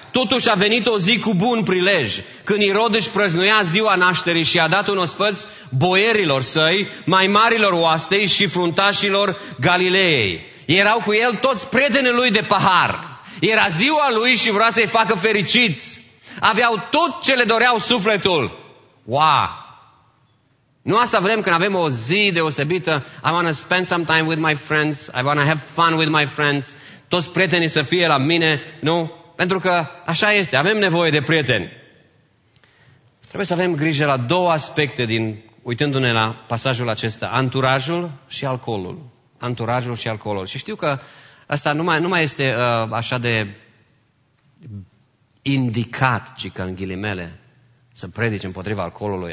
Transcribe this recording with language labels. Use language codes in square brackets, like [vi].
[ro] Totuși a venit o zi cu bun prilej, când Irod își prăznuia ziua nașterii și a dat un ospăț boierilor săi, mai marilor oastei și fruntașilor Galileei. Erau cu el toți prietenii lui de pahar. Era ziua lui și vrea să-i facă fericiți. Aveau tot ce le doreau sufletul. Wow! Nu asta vrem când avem o zi deosebită. [en] I want to spend some time with my friends. I want to have fun with my friends. [ro] Toți prietenii să fie la mine, nu? Pentru că așa este, avem nevoie de prieteni. Trebuie să avem grijă la două aspecte din uitându-ne la pasajul acesta. Anturajul și alcoolul. Anturajul și alcoolul. Și știu că asta nu mai este așa de indicat, ci că în ghilimele, să predici împotriva alcoolului.